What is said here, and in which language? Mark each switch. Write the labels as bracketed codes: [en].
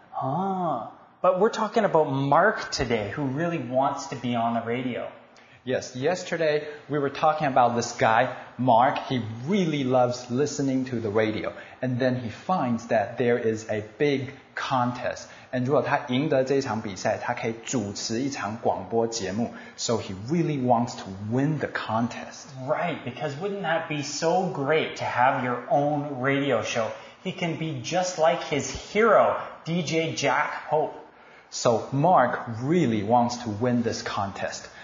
[en] Ah, but we're talking about Mark today, who really wants to be on the radio. Yes, yesterday we were talking about this guy, Mark. He really loves listening to the radio. And then he finds that there is a big contest. [zh] And 如果他赢得这场比赛，他可以主持一场广播节目。 [en] So he really wants to win the contest. Right, because wouldn't that be so great to have your own radio show? He can be just like his hero, DJ Jack Hope. So Mark really wants to win this contest.